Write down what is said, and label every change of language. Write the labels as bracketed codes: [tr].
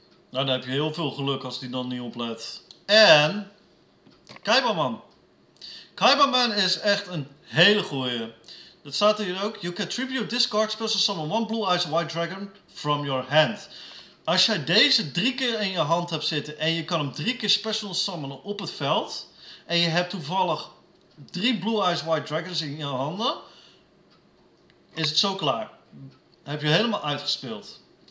[nl] Nou, dan heb je heel veel geluk als die dan niet oplet. En... Kaibaman. Kaibaman is echt een hele goeie. Dat staat hier ook. [en] You can tribute this card special summon one Blue Eyes White Dragon from your hand. [nl] Als jij deze drie keer in je hand hebt zitten en je kan hem drie keer special summonen op het veld. En je hebt toevallig drie Blue Eyes White Dragons in je handen. Is het zo klaar. Heb je helemaal uitgespeeld.